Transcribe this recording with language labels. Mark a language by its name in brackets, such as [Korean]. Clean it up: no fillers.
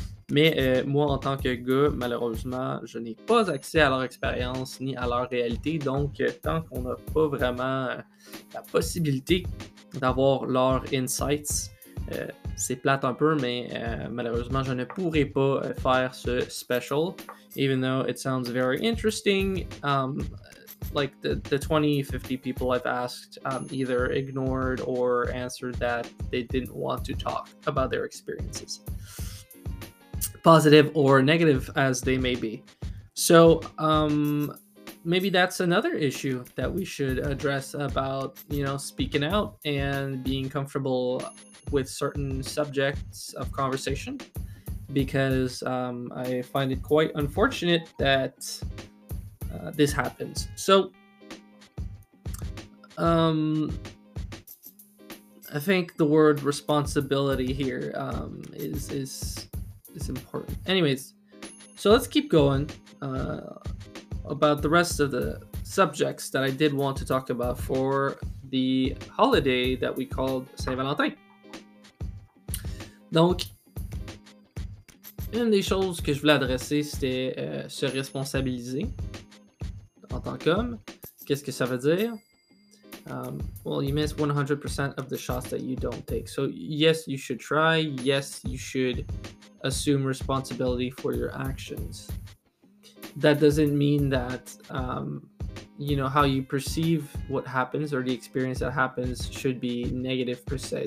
[French] Mais moi, en tant que gars, malheureusement, je n'ai pas accès à leur expérience ni à leur réalité. Donc, tant qu'on n'a pas vraiment la possibilité d'avoir leurs insights, c'est plate un peu, mais malheureusement, je ne pourrai pas faire ce special. [English] Even though it sounds very interesting, like the 20-50 people I've asked either ignored or answered that they didn't want to talk about their experiences. Positive or negative as they may be. So maybe that's another issue that we should address about, you know, speaking out and being comfortable with certain subjects of conversation, because I find it quite unfortunate that this happens. So I think the word responsibility here is important. Anyways, so let's keep going about the rest of the subjects that I did want to talk about for the holiday that we called Saint-Valentin. [French] Donc, une des choses que je voulais adresser, c'était se responsabiliser en tant qu'homme. Qu'est-ce que ça veut dire? [English] Well, you miss 100% of the shots that you don't take. So, yes, you should try. Yes, you should assume responsibility for your actions. That doesn't mean that, you know, how you perceive what happens or the experience that happens should be negative per se.